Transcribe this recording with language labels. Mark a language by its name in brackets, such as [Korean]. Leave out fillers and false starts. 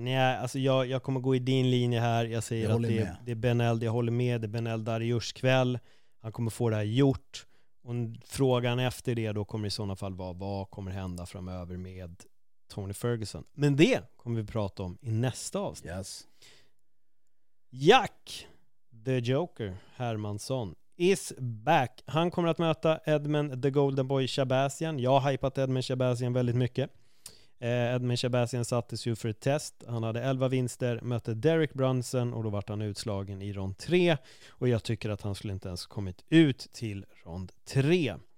[Swedish] Nej, alltså jag kommer gå i din linje här. Jag säger jag att det är Ben Eld, jag håller med. Det är Ben Eld Darius kväll. Han kommer få det här gjort. Och frågan efter det då kommer i sådana fall vara, vad kommer hända framöver med Tony Ferguson? Men det kommer vi prata om i nästa avsnitt. Yes. [English] Jack the Joker Hermansson is back. [Swedish] Han kommer att möta Edmund the Golden Boy Shabazzian. Jag har hypat Edmund Shabazzian väldigt mycket. Edmund Shabazzian sattes ju för ett test. Han hade 11 vinster, mötte Derek Brunson och då var han utslagen i rond 3. Och jag tycker att han skulle inte ens kommit ut till rond 3.